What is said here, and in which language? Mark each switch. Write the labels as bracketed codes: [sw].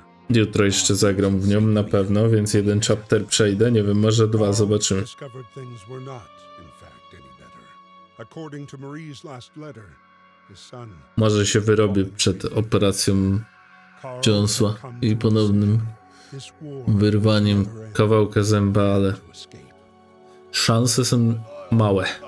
[pl] Jutro jeszcze zagram w nią na pewno, więc jeden chapter przejdę, nie wiem, może dwa, zobaczymy. [en] Discovered things were not, in fact, any better. According to Marie's last letter, his son... [pl] Może się wyrobi przed operacją Jonesa i ponownym wyrwaniem kawałka zęba, ale szanse są małe.